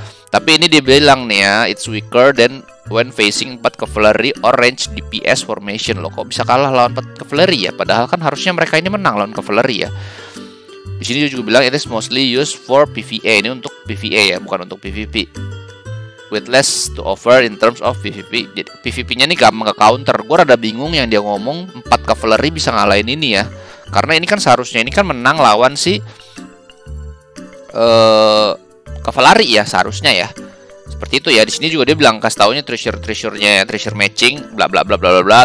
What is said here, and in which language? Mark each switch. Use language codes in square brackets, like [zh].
[id] Tapi ini dia bilang nih ya, [en] it's weaker than when facing 4 cavalry orange DPS formation loh. [id] Kok bisa kalah lawan 4 cavalry ya? Padahal kan harusnya mereka ini menang lawan cavalry ya. Di sini dia juga bilang [en] it is mostly used for PvE. [id] Ini untuk PvE ya, bukan untuk PvP. [en] With less to offer in terms of PvP. [id] Jadi PvP-nya ini gampang nge-counter. Gua rada bingung yang dia ngomong 4 cavalry bisa ngalahin ini ya. Karena ini kan seharusnya ini kan menang lawan si cavalry ya seharusnya ya. seperti itu ya. Di sini juga dia bilang kasih tahunya treasure-treasurenya, treasure matching, bla bla bla bla bla bla.